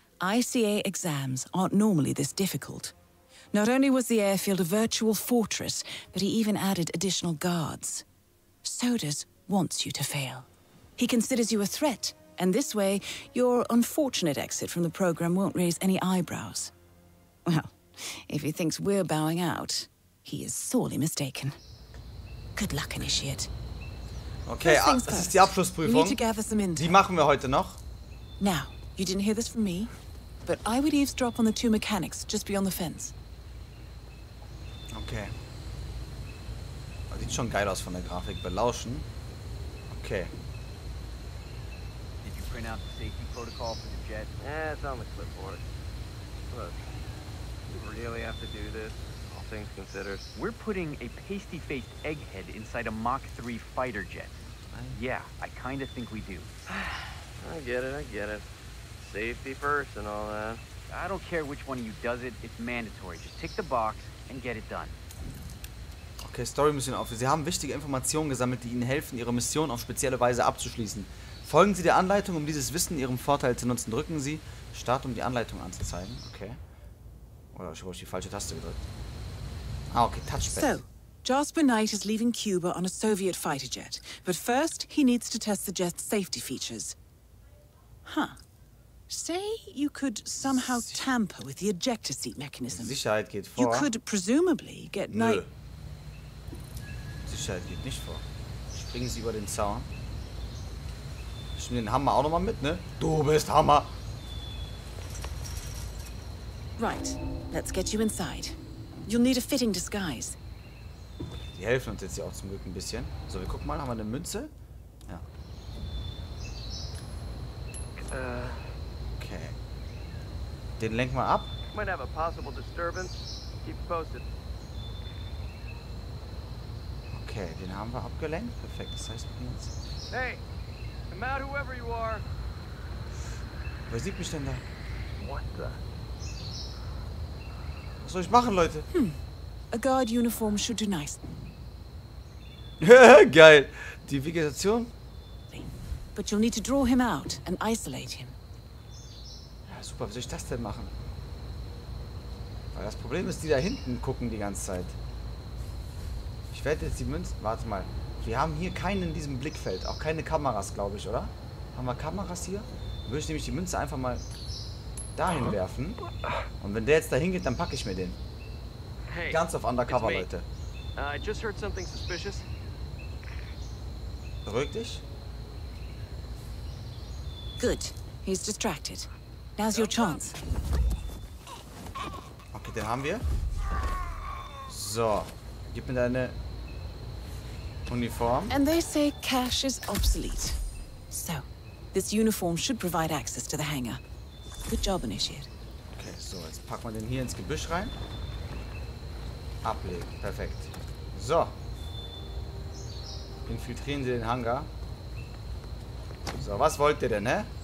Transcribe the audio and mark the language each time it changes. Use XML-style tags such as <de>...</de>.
<en>ICA exams aren't normally this difficult. Not only was the airfield a virtual fortress, but he even added additional guards. Sodas wants you to fail. He considers you a threat, and this way, your unfortunate exit from the program won't raise any eyebrows. Well, if he thinks we're bowing out, he is sorely mistaken. Good luck, Initiate.</en> <de>Okay, das ist die Abschlussprüfung. Die machen wir heute noch.</de> <en>Now, you didn't hear this from me, but I would eavesdrop on the two mechanics just beyond the fence. Okay.</en> <de>Das sieht schon geil aus von der Grafik. Belauschen. Okay.</de> <en>Did you print out the safety protocol for the jet? It's on the clipboard. Look, we really have to do this, all things considered. We're putting a pasty-faced egghead inside a Mach 3 fighter jet. Yeah, I kind of think we do. I get it. Safety first and all that. I don't care which one of you does it, it's mandatory. Just tick the box and get it done.</en> <de>Okay, Story Mission auf. Sie haben wichtige Informationen gesammelt, die Ihnen helfen, Ihre Mission auf spezielle Weise abzuschließen. Folgen Sie der Anleitung, um dieses Wissen Ihrem Vorteil zu nutzen. Drücken Sie Start, um die Anleitung anzuzeigen. Okay. Oder ich habe die falsche Taste gedrückt. Ah, okay, Touchpad.</de> <en>So, Jasper Knight is leaving Cuba on a Soviet fighter jet. But first, he needs to test the jet's safety features. Huh. Say you could somehow tamper with the ejector seat mechanism.</en> <de>Sicherheit geht vor.</de> <en>You could presumably get Knight...</en> <de>Sicherheit geht nicht vor. Springen Sie über den Zaun. Ich nehme den Hammer auch nochmal mit, ne? Du bist Hammer!</de> <en>Right, let's get you inside. You'll need a fitting disguise.</en> <de>Die helfen uns jetzt ja auch zum Glück ein bisschen. So, wir gucken mal, haben wir eine Münze? Ja. Okay. Den lenken wir ab.</de> <en>Might have a possible disturbance. Keep posted.</en> <de>Okay, den haben wir abgelenkt. Perfekt, das heißt, wir gehen jetzt.</de> <en>Hey, come out whoever you are.</en> <de>Wer sieht mich denn da?</de> <en>What the?</en> <de>Was soll ich machen, Leute?</de> <en>A guard uniform should do nice.</en> <de>Geil. Die Vegetation.</de> <en>But you'll need to draw him out and isolate him.</en> <de>Ja, super. Wie soll ich das denn machen? Weil das Problem ist, die da hinten gucken die ganze Zeit. Ich werde jetzt die Münzen... Warte mal. Wir haben hier keinen in diesem Blickfeld. Auch keine Kameras, glaube ich, oder? Haben wir Kameras hier? Dann würde ich nämlich die Münze einfach mal dahin werfen. Und wenn der jetzt dahin geht, dann packe ich mir den. Hey, ganz auf Undercover, Leute.</de> <en>I just heard something suspicious.</en> <de>Beruhig dich.</de> <en>Good. He's distracted. Now's your chance.</en> <de>Okay, den haben wir. So. Gib mir deine Uniform.</de> <en>And they say cash is obsolete. So, this uniform should provide access to the hangar. Good job, Initiate.</en> <de>Okay, so, jetzt packen wir den hier ins Gebüsch rein. Ablegen. Perfekt. So. Infiltrieren Sie den Hangar. So, was wollt ihr denn, hä?</de>